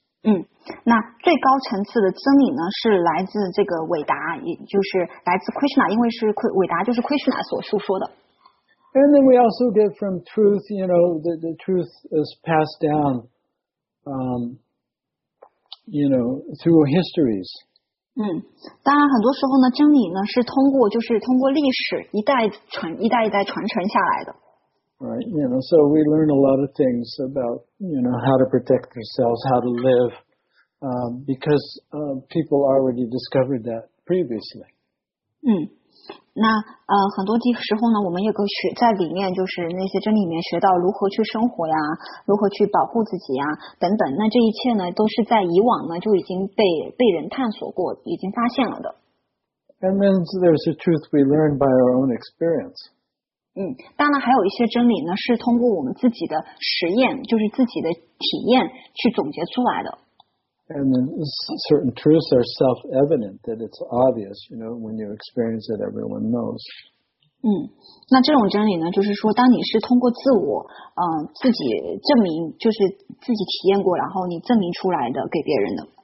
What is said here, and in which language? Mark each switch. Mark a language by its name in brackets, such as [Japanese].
[Chinese] 那最高层次的真理呢是来自这个韦达，也就是来自 Krishna， 因为是韦达就是 Krishna 所述说的。 [English] And then we also get from truth, you know, the truth is passed down, you know, through histories. [Chinese] 当然很多时候呢，真理呢是通过就是通过历史一代传一代一代传承下来的。 [English] Right, you know, so we learn a lot of things about, you know, how to protect ourselves, how to live, because people already discovered that previously. [Chinese] 那很多时候呢，我们也可学在里面，就是那些真理里面学到如何去生活呀，如何去保护自己呀，等等。那这一切呢，都是在以往呢就已经被人探索过，已经发现了的。 [English] And then there's the truth we learn by our own experience. [Chinese] 当然还有一些真理呢，是通过我们自己的实验，就是自己的体验去总结出来的。 [English] And then certain truths are self-evident that it's obvious, you know, when you experience it, everyone knows. [Chinese] 那这种真理呢，就是说，当你是通过自我，自己证明，就是自己体验过，然后你证明出来的给别人的。